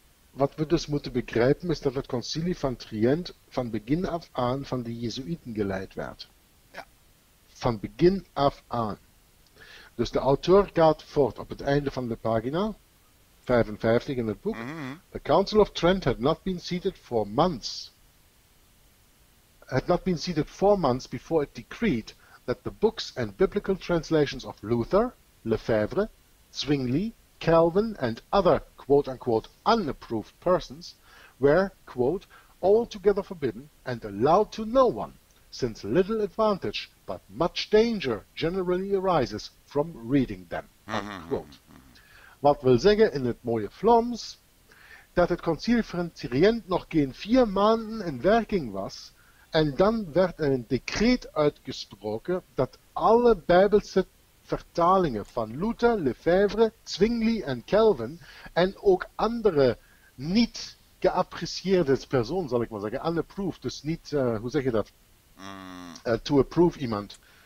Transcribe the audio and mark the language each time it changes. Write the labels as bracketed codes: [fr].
[nl] Wat we dus moeten begrijpen is dat het concilie van Trient van begin af aan van de Jezuïten geleid werd. Ja. Van begin af aan. Dus de auteur gaat voort op het einde van de pagina, 55 in het boek. Mm-hmm. [en] The Council of Trent had not been seated for months. Had not been seated 4 months before it decreed that the books and biblical translations of Luther, Lefebvre, Zwingli, Calvin and other quote-unquote unapproved persons were, quote, altogether forbidden and allowed to no one, since little advantage but much danger generally arises from reading them, unquote. Mm-hmm. [nl] Wat wil zeggen in het mooie Vlaams, dat het Concil van Trient nog geen 4 maanden in werking was, en dan werd er een decreet uitgesproken dat alle Bijbelse vertalingen van Luther, Lefebvre, Zwingli en Calvin en ook andere niet geapprecieerde personen, zal ik maar zeggen, unapproved, dus niet, hoe zeg je dat, [en] to approve [nl] iemand,